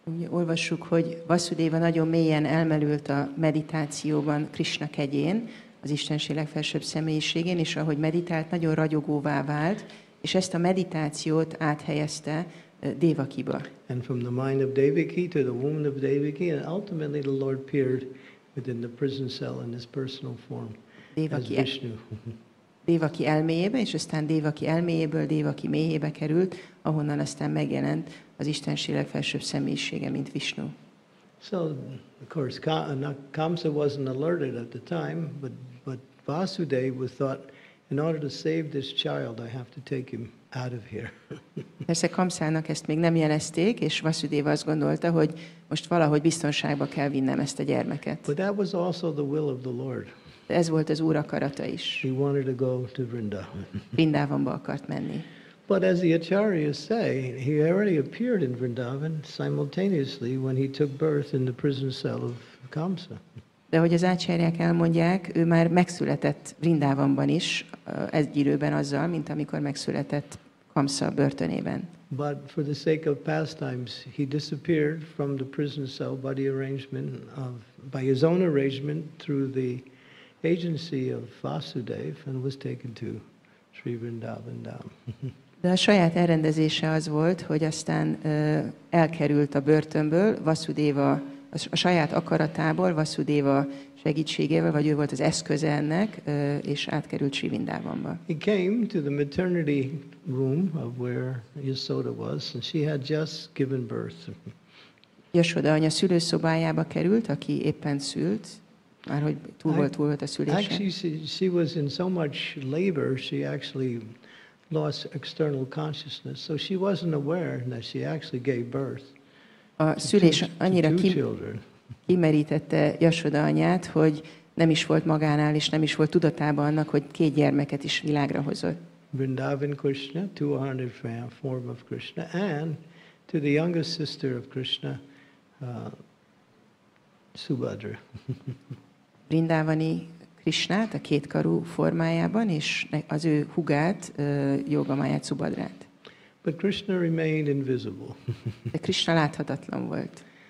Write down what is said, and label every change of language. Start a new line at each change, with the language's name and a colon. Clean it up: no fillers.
Hungarian: Olvassuk, hogy Vasudeva nagyon mélyen elmerült a meditációban Krishna kegyén, az Istenség legfelsőbb személyiségén, és ahogy meditált, nagyon ragyogóvá vált, és ezt a meditációt áthelyezte Devakiba.
English: And from the mind of Devaki to the womb of Devaki, and ultimately the Lord appeared within the prison cell in his personal form
Hungarian: Devaki
English: as Vishnu.
Hungarian: Devaki elméjébe, és aztán Devaki elméjéből Devaki méhébe került, ahonnan aztán megjelent az Istenség legfelsőbb személyisége, mint Vishnu.
English: So, of course, Kamsa wasn't alerted at the time, but Vasudeva thought, in order to save this child, I have to take him out of here.
Hungarian: Persze Kamsának ezt még nem jelezték, és Vasudeva azt gondolta, hogy most valahogy biztonságba kell vinnem ezt a gyermeket.
English: But that was also the will of the Lord.
Hungarian: Ez volt az Úr akarata is.
English: He wanted to go to Vrindavan.
Hungarian: Vrindavanba akart menni.
English: But as the acharyas say, he already appeared in Vrindavan simultaneously when he took birth in the prison cell of Kamsa.
Hungarian: De hogy az acharyák elmondják, ő már megszületett Vrindavanban is, egyidőben azzal, mint amikor megszületett Kamsa börtönében.
English: But for the sake of pastimes, he disappeared from the prison cell by the arrangement of, by his own arrangement through the agency of Vasudev and was taken to Sri Vrindavan Dham.
Hungarian: De a saját elrendezése az volt, hogy aztán elkerült a börtönből, Vasudeva, a saját akaratából, Vasudeva segítségével, vagy ő volt az eszköze ennek, és átkerült Sri Vrindavanba.
English: He came to the maternity room of where Yasoda was, and she had just given birth.
Hungarian: Yasoda anya szülőszobájába került, aki éppen szült. Már hogy túl volt a szülésen.
English: Actually, she was in so much labor, she actually lost external consciousness, so she wasn't aware that she actually gave birth.
Hungarian: A szülés annyira kimerítette Yasoda anyát, hogy nem is volt magánál, és nem is volt tudatában annak, hogy két gyermeket is világra hozott.
English: Vrindavan Krishna, 200 form of Krishna, and to the youngest sister of Krishna, Subhadra.
Hungarian: Vrindavani Krishnát a két karú formájában és az ő hugát, Jogamáját, Subhadrát.
English: But Krishna remained invisible.
Hungarian: De Krishna láthatatlan volt.